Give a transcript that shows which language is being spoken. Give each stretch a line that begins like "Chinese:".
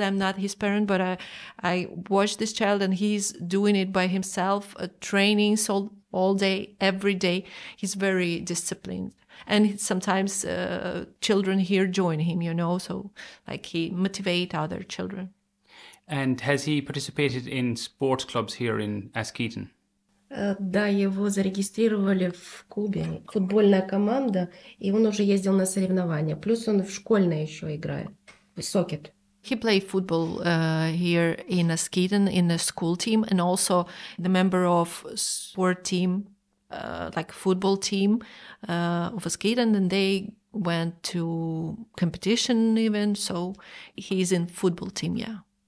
English: I'm not his parent, but I watch this child and he's doing it by himself, training so all day, every day. He's very disciplined. And sometimes children here join him, you know, so like he motivate other children. And has he participated in sports clubs here in Askeaton?
Russian: Да, его зарегистрировали в клубе, футбольная команда, и он уже ездил на соревнования. Плюс он в школьное еще играет, в сокет.
English: He played football here in Askeaton in the school team and also the member of sport team. Like football team of Askeaton, and they went to competition even, so he's in football team, yeah.